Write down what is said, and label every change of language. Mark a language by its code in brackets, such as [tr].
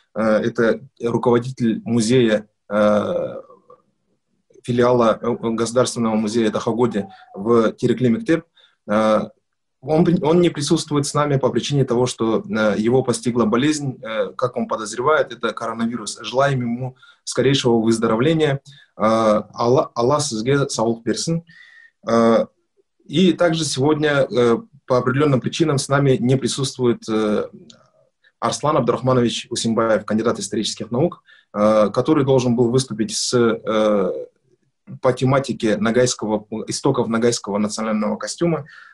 [ru] Это руководитель музея, филиала Государственного музея Тахагоди в Тирекли-Мектеп. Он не присутствует с нами по причине того, что его постигла болезнь, как он подозревает, это коронавирус. Желаем ему скорейшего выздоровления. [kk] Аллах сізге саулық берсін. [ru] И также сегодня по определенным причинам с нами не присутствует Арслан Абдурахманович Усимбаев, кандидат исторических наук, который должен был выступить по тематике истоков ногайского национального костюма.